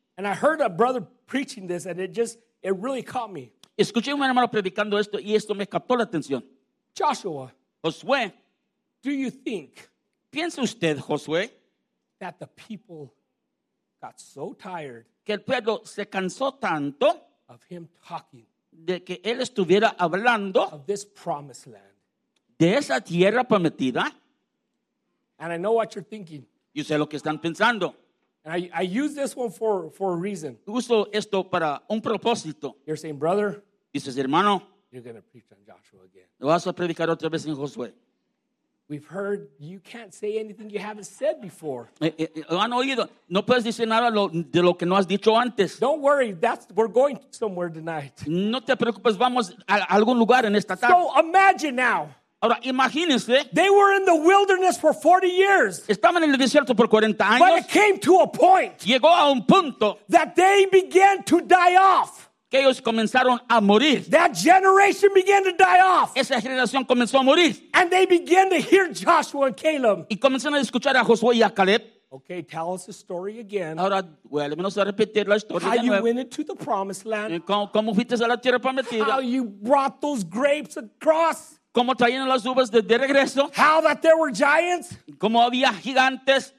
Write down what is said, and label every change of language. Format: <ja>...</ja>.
<en>And I heard a brother preaching this and it really caught me.</en> <es>Escuché a un hermano predicando esto y esto me captó la atención.</es> <en>Joshua.</en> <es>Josué.</es> <en>Do you think.</en> <es>¿Piensa usted, Josué?</es> <en>That the people got so tired</en> <es>que el pueblo se cansó tanto</es> <en>of him talking</en> <es>de que él estuviera hablando</es> <en>of this promised land.</en> <es>De esa tierra prometida.</es> <en>And I know what you're thinking.</en> <es>Yo sé lo que están pensando.</es> <en>And I use this one for a reason.</en> <es>Uso esto para un propósito.</es> <en>You're saying, brother,</en> <es>dices, hermano,</es> <en>you're going to preach on Joshua again.</en> <es>Vas a predicar otra vez en Josué.</es> <en>We've heard you can't say anything you haven't said before.</en> <es>Han oído. No puedes decir nada de lo que no has dicho antes.</es> <en>Don't worry. We're going somewhere tonight.</en> <es>No te preocupes. Vamos a algún lugar en esta tarde.</es> <en>So imagine now.</en> <es>Ahora, imagínense.</es> <en>They were in the wilderness for 40 years.</en> <es>Estaban en el desierto por 40 años.</es> <en>But it came to a point.</en> <es>Llegó a un punto.</es> <en>That they began to die off.</en> <es>Que ellos comenzaron a morir.</es> <en>That generation began to die off.</en> <es>Esa generación comenzó a morir.</es> <en>And they began to hear Joshua and Caleb.</en> <es>Y comenzaron a escuchar a Josué y a Caleb.</es> <en>Okay, tell us the story again.</en> <es>Ahora, vuélvenos a repetir la historia.</es> <en>How you went into the promised land.</en> <es>¿Cómo fuiste a la tierra prometida?</es> <en>How you brought those grapes across.</en> <es>¿Cómo trajeron las uvas de regreso?</es> <en>How that there were giants?</en> <es>¿Cómo había gigantes?</es>